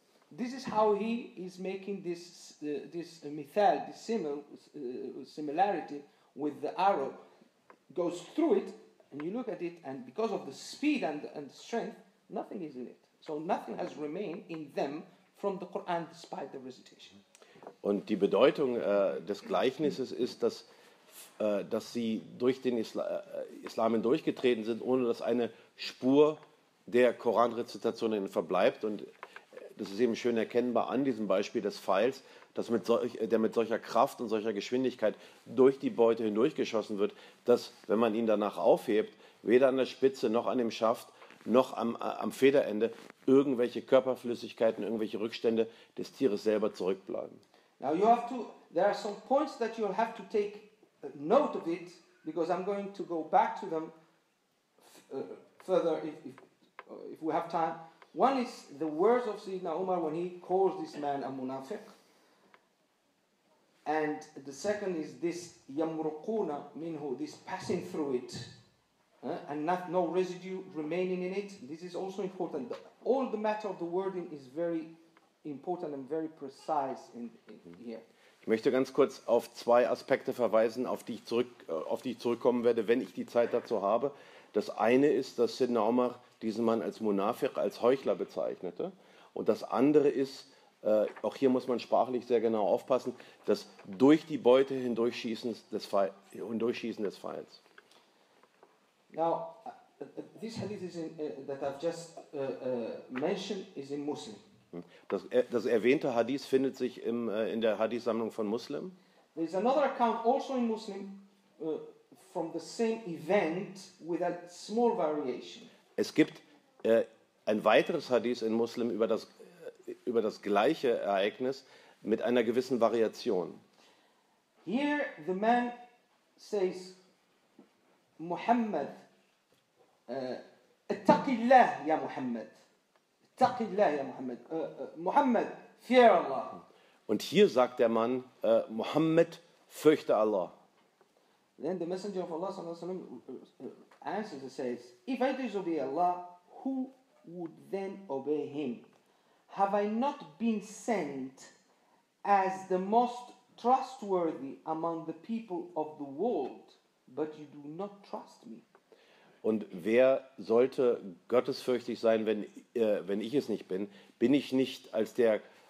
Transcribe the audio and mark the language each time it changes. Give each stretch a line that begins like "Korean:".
English: This is how he is making this similarity with the arrow. Goes through it, and you look at it, and because of the speed and strength, nothing is in it. So nothing has remained in them from the Quran despite the recitation.
German: Und die Bedeutung des Gleichnisses ist, dass sie durch den Islam hindurchgetreten sind, ohne dass eine Spur der Koranrezitation ihnen verbleibt. Und das ist eben schön erkennbar an diesem Beispiel des Pfeils, der mit solcher Kraft und solcher Geschwindigkeit durch die Beute hindurchgeschossen wird, dass, wenn man ihn danach aufhebt, weder an der Spitze noch an dem Schaft noch am Federende irgendwelche Körperflüssigkeiten, irgendwelche Rückstände des Tieres selber zurückbleiben.
English: Now you have to, there are some points that you'll have to take note of it, because I'm going to go back to them further if we have time. One is the words of Sayyidina Umar when he calls this man a munafiq. And the second is this yamruquna minhu, this passing through it, and not no residue remaining in it. This is also important. All the matter of the wording is very important and very precise in here.
German: Ich möchte ganz kurz auf zwei Aspekte verweisen, auf die ich zurückkommen werde, wenn ich die Zeit dazu habe. Das eine ist, dass Sidna Omar diesen Mann als Munafiq, als Heuchler bezeichnete. Und das andere ist, auch hier muss man sprachlich sehr genau aufpassen, dass durch die Beute hindurchschießen des Pfeils.
English: Now, this hadith is in, that I've just mentioned is in Muslim.
German: Das erwähnte Hadith findet sich in der Hadith-Sammlung von Muslim.
English: There is another account also in Muslim from the same event with a small variation.
German: Es gibt ein weiteres Hadith in Muslim über das gleiche Ereignis mit einer gewissen Variation.
English: Here the man says Muhammad
Arabic: ittaqillah ya Muhammad. Taqillah ya Muhammad.
English: Muhammad, fear Allah.
German: Und hier sagt der Mann, Muhammad, fürchte Allah.
English: Then the Messenger of Allah sallallahu alaihi wasallam answers and says, if I disobey Allah, who would then obey him? Have I not been sent as the most trustworthy among the people of the world, but you do not trust me?
German: Und wer sollte gottesfürchtig sein, wenn, wenn ich es nicht bin? Bin ich nicht als der...